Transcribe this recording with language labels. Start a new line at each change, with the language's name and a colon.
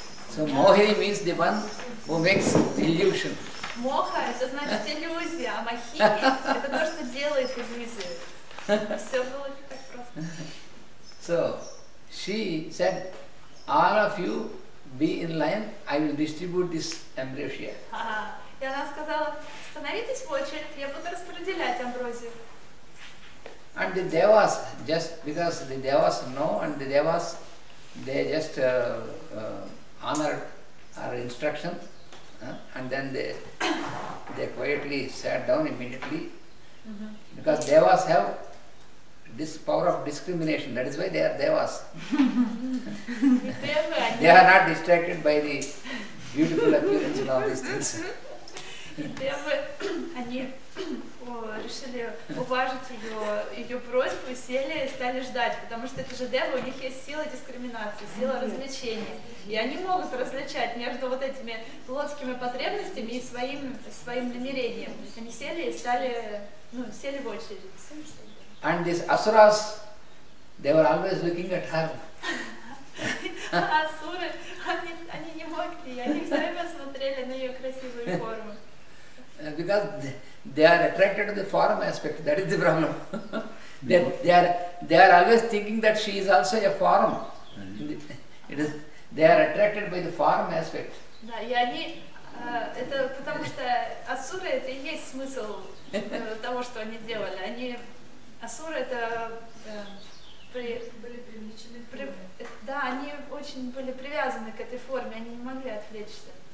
English: So Mohini means the one who makes illusion.
Russian: Moha, это значит иллюзия, а Mohini это то, что делает иллюзию. Все было так просто.
English: So she said, all of you be in line, I will distribute this ambrosia.
Russian: И она сказала, становитесь в очередь, я буду распределять амброзию.
English: And the devas, just because the devas know and the devas, they just honor our instruction, and then they quietly sat down immediately. Mm-hmm. Because devas have this power of discrimination, that is why they are devas. They are not distracted by the beautiful appearance and all these things.
Russian: Они решили уважить ее просьбу, сели и стали ждать, потому что это же девы, у них есть сила дискриминации, сила развлечения. И они могут различать между вот этими плотскими потребностями и своим намерением. Они сели и стали, ну, сели в очередь.
English: And these asuras, they were always looking at her.
Russian: Asuры, они не могли, они все время смотрели на ее красивую форму.
English: Because they are attracted to the form aspect, that is the problem. they are always thinking that she is also a form. They are attracted by the form aspect.
Russian: Да, и они, это потому что асуры, это и есть смысл того, что они делали. Они асуры это были привлечены. Да, они очень были привязаны к этой форме, они не могли отвлечься.